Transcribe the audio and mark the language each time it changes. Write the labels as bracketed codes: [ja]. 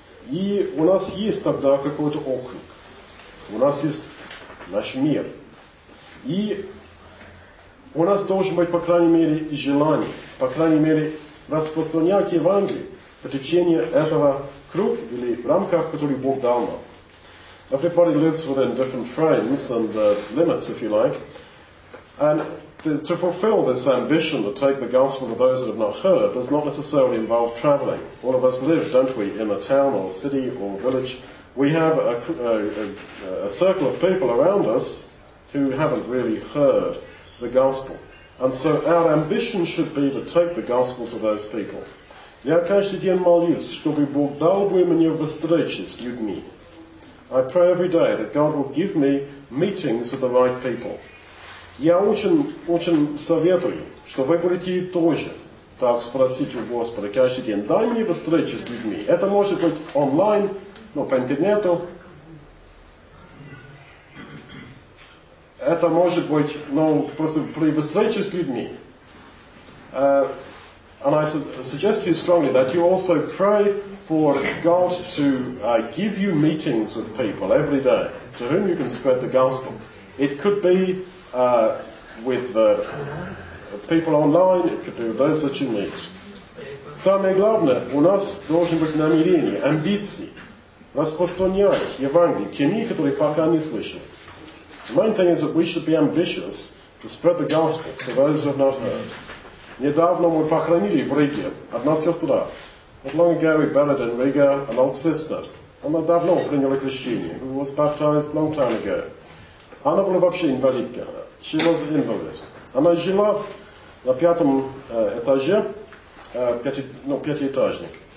[ru] И у нас есть тогда какой-то округ. У нас есть наш мир. И у нас должен быть, по крайней мере, желание, по крайней мере, распространять Евангелие по течению этого круга или рамках, который Бог дал нам. [en] Everybody lives within different frames and limits, if you like. And to fulfill this ambition to take the gospel to those that have not heard does not necessarily involve traveling. All of us live, don't we, in a town or a city or a village. We have a circle of people around us who haven't really heard the gospel. And so our ambition should be to take the gospel to those people. [ru] Я каждый день молюсь, чтобы Бог дал бы мне встречи с людьми. [en] I pray every day that God will give me meetings with the right people. [ru] Я очень советую, что вы будете тоже так спросить у Господа каждый день, дай мне встречи с людьми. Это может быть онлайн, по интернету. Это может быть, просто при встрече с людьми. [en] And I suggest to you strongly that you also pray for God to give you meetings with people every day to whom you can spread the gospel. It could be with people online, it could be with those that you meet. [ru] Самое главное, у нас должен быть намерение, амбиции, распространять Евангелие теми, которые пока не слышали. [en] The main thing is that we should be ambitious to spread the gospel to those who have not heard. [ru] Недавно мы похоронили в Риге одна сестра. [en] Not long ago we buried in Riga an old sister. [ru] Она давно приняла крещение, [en] who was baptized long time ago. [ru] Она была вообще инвалидка. [en] She was an invalid. [ru] Она жила на пятом этаже, пятиэтажник.